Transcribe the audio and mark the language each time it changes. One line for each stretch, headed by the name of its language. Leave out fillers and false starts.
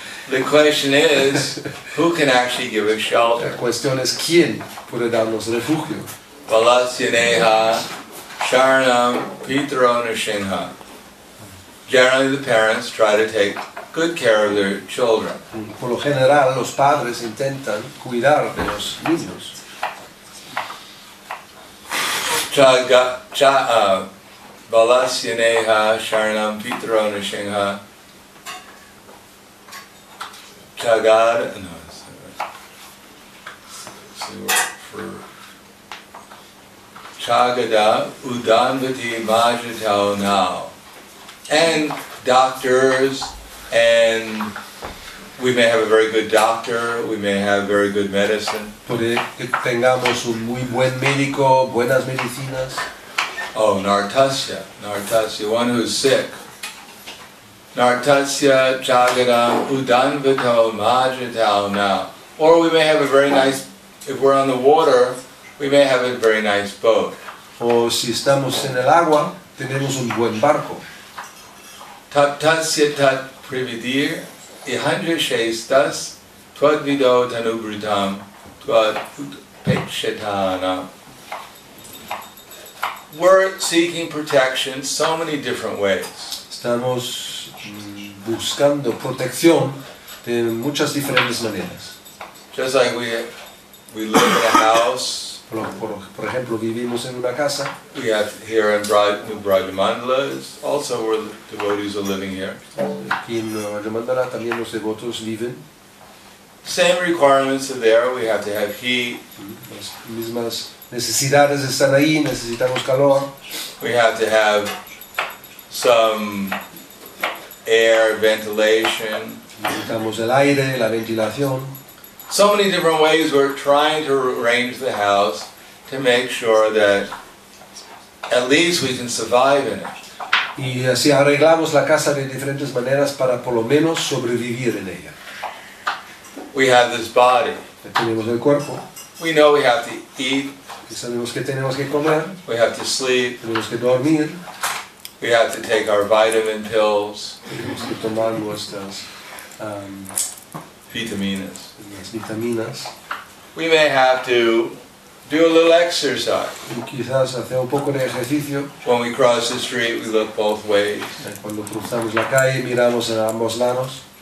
English: The question is, who can actually give us shelter?
Spanish: La cuestión es quién puede darnos refugio.
Sanskrit: Balasyaneha, Sharanam, Pitro, Nishinha.
English: Generally, the parents try to take good care of their children.
Spanish: Por lo general, los padres intentan cuidar de los niños.
Sanskrit: Balasyaneha, Sharanam, Pitro, Nishinha. Chagar, no, it's for Chagada Udanvati Majatao now.
English: And doctors, and we may have a very good doctor, we may have very good medicine.
Spanish: Puede que tengamos un muy buen médico, buenas medicinas.
Sanskrit: Oh, Nartasya,
English: one who's sick.
Sanskrit: Nartasya Chagadam Udanvato Majatao now.
English: Or we may have a very nice, if we're on the water, we may have a very nice boat.
Spanish: O si estamos en el agua, tenemos un buen barco.
Sanskrit: Tattasya Tat Prividir Ihanja Shestas Tvadvido Tanubritam Tvadpekshetanam.
English: We're seeking protection so many different ways.
Spanish: Estamos buscando protección de muchas diferentes maneras.
English: Just like we live in a house
Spanish: Por ejemplo, vivimos en una casa.
English: We have here in Nueva Vrajamandala is also where the devotees are living here.
Spanish: Aquí en Nueva Vrajamandala también los devotos viven.
English: Same requirements are there. We have to have heat.
Spanish: Las mismas necesidades están ahí. Necesitamos calor.
English: We have to have some air ventilation.
Spanish: Necesitamos el aire, la ventilación.
English: So many different ways we're trying to arrange the house to make sure that at least we can survive in it.
Spanish: Y así arreglamos la casa de diferentes maneras para por lo menos sobrevivir en ella.
English: We have this body.
Spanish: Tenemos el cuerpo.
English: We know we have to eat.
Spanish: Y sabemos que tenemos que comer.
English: We have to sleep.
Spanish: Tenemos que dormir.
English: We have to take our vitamin pills.
Spanish: Tenemos que tomar nuestras vitaminas. Las vitaminas.
English: We may have to do a little exercise.
Spanish: Quizás hacer un poco de ejercicio.
English: When we cross the street, we look both ways.
Spanish: Cuando cruzamos la calle, miramos a ambos lados.